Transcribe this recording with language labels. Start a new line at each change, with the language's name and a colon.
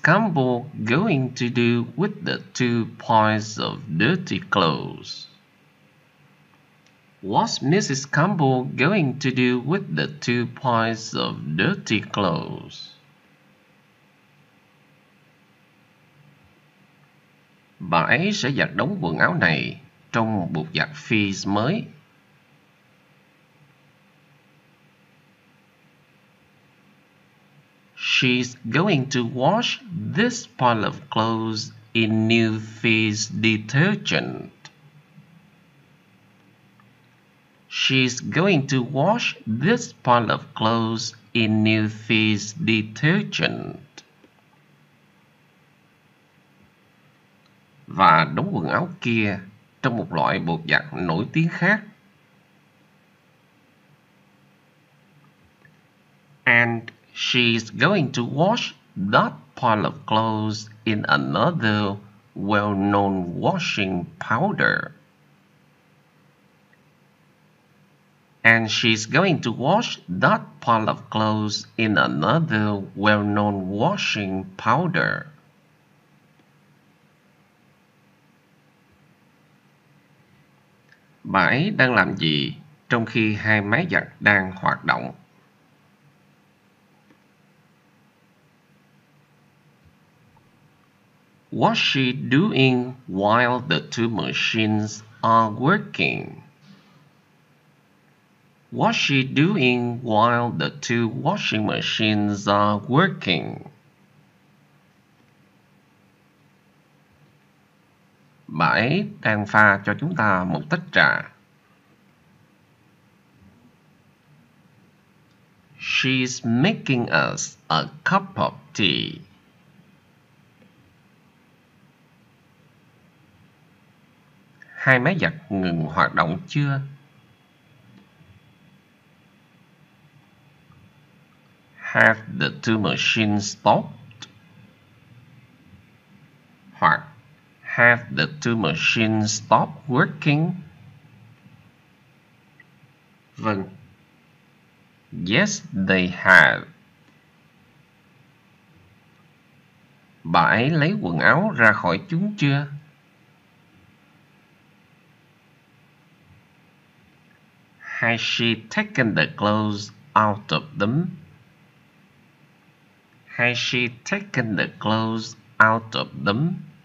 English: Campbell going to do with the two piles of dirty clothes? What's Mrs. Campbell going to do with the two piles of dirty clothes?
Vietnamese: Bà ấy sẽ giặt đống quần áo này trong một bộ giặc Fizz mới.
English: She's going to wash this pile of clothes in new Fizz detergent. She's going to wash this pile of clothes in new Fizz detergent.
Vietnamese: Và đống quần áo kia trong một loại bột giặt nổi tiếng khác.
English: And she's going to wash that pile of clothes in another well-known washing powder. And she's going to wash that pile of clothes in another well-known washing powder.
Vietnamese: Bà ấy đang làm gì trong khi hai máy giặt đang hoạt động?
English: What's she doing while the two machines are working? What's she doing while the two washing machines are working?
Vietnamese: Bà ấy đang pha cho chúng ta một tách trà.
English: She's making us a cup of tea.
Vietnamese: Hai máy giặt ngừng hoạt động chưa?
English: Have the two machines stopped?
Vietnamese: Hoặc
English: have the two machines stopped working?
Vietnamese: Vâng.
English: Yes, they have.
Vietnamese: Bà ấy lấy quần áo ra khỏi chúng chưa?
English: Has she taken the clothes out of them? Has she taken the clothes out of them?